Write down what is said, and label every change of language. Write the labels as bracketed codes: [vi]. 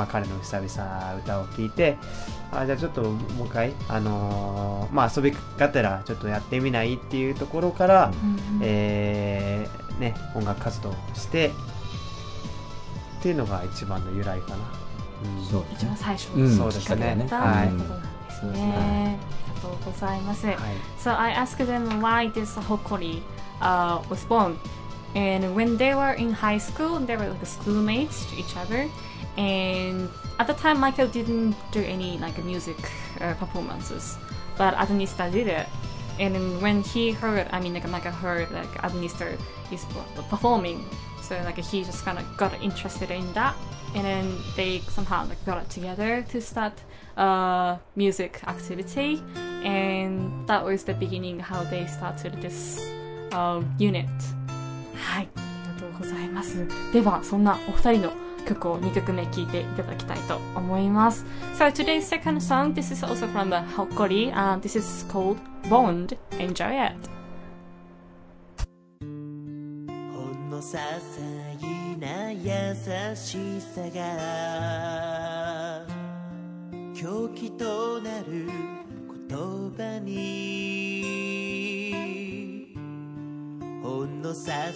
[ja] まあ、彼の久々歌を聞いて、あ、じゃあちょっともう一回、まあ、遊びがてらちょっとやってみないっていうところから、ね、音楽活動してっていうのが一番の由来かな。そう、一番最初の、そうですね、きっかけだったということなんですね。ありがとうございます。 [en] So I asked them why this hokkoriwas born, and when they were in high school, they were like schoolmates to each other, and at the time Michael didn't do any like music performances, but Adonista did it. And when he heard, I mean, like Michael heard like Adonista is performing, so like he just kind of got interested in that, and then they somehow like got together to startmusic activity, and that was the beginning how they started thisUnit。 [ja] はい、ありがとうございます。ではそんなお二人の曲を2曲目聴いていただきたいと思います。 [en] So today's second song, this is also from Hokkori, this is called Bond. Enjoy it。 [ja] ほんのささいな優しさが狂気となる言葉に、ほんの些